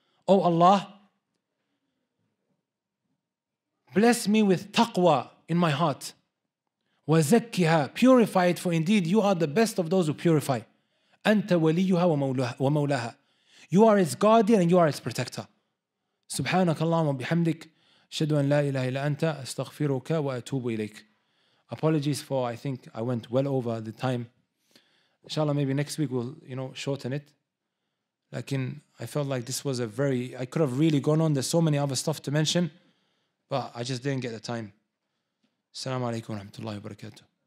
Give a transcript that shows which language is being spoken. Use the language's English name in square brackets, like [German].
[English] Oh Allah, bless me with taqwa in my heart. Wa zakkiha, purify it, for indeed you are the best of those who purify. [Arabic] Anta waliyuha wa mawlaha. [English] You are its guardian and you are its protector. [Arabic] Subhanaka Allahumma bihamdik. أشهد أن لا إله إلا أنت أستغفرك وأتوب إليك. [English] Apologies for, I think I went well over the time. Inshallah, maybe next week we'll, you know, shorten it. لكن I felt like this was a very, I could have really gone on. There's so many other stuff to mention, but I just didn't get the time. [Arabic] السلام عليكم ورحمة الله وبركاته.